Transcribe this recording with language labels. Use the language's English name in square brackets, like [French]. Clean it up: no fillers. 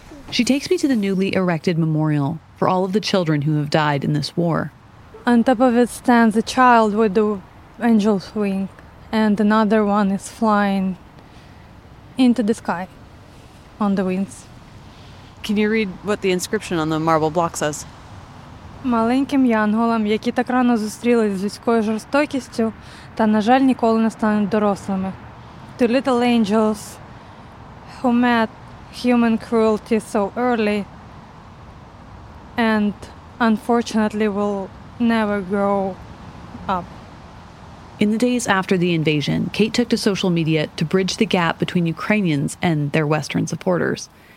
[English] She takes me to the newly erected memorial for all of the children who have died in this war. On top of it stands a child with the angel's wing, and another one is flying into the sky on the wings. Can you read what the inscription on the marble block says? [Ukrainian] Маленьким янголам, які так рано зустрілись з людською жорстокістю, та, на жаль, ніколи не стануть дорослими. [English] To little angels who met human cruelty so early and unfortunately will never grow up. In the days after the invasion, Kate took to social media to bridge the gap between Ukrainians and their Western supporters.